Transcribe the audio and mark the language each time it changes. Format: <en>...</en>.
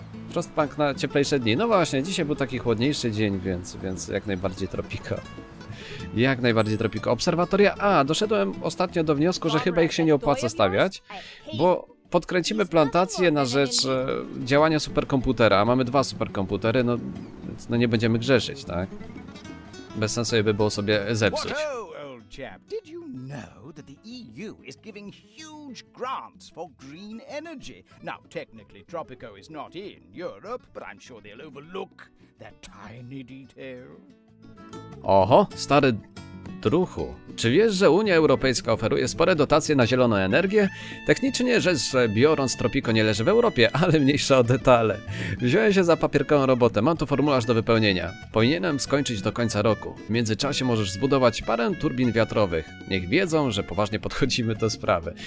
<pl>Frostpunk na cieplejsze dni. No właśnie, dzisiaj był taki chłodniejszy dzień, więc jak najbardziej tropika. Jak najbardziej tropika. Obserwatoria A. Doszedłem ostatnio do wniosku, że chyba ich się nie opłaca stawiać, bo podkręcimy plantację na rzecz działania superkomputera, a mamy dwa superkomputery, no, więc no nie będziemy grzeszyć, tak? Bez sensu by było sobie zepsuć.</pl> <en>Did you know that the EU is giving huge grants for green energy? Now, technically, Tropico is not in Europe, but I'm sure they'll overlook that tiny detail.</en> <pl>Oho, stary druchu. Czy wiesz, że Unia Europejska oferuje spore dotacje na zieloną energię? Technicznie rzecz biorąc, Tropico nie leży w Europie, ale mniejsza o detale. Wziąłem się za papierkową robotę, mam tu formularz do wypełnienia. Powinienem skończyć do końca roku. W międzyczasie możesz zbudować parę turbin wiatrowych. Niech wiedzą, że poważnie podchodzimy do sprawy.</pl>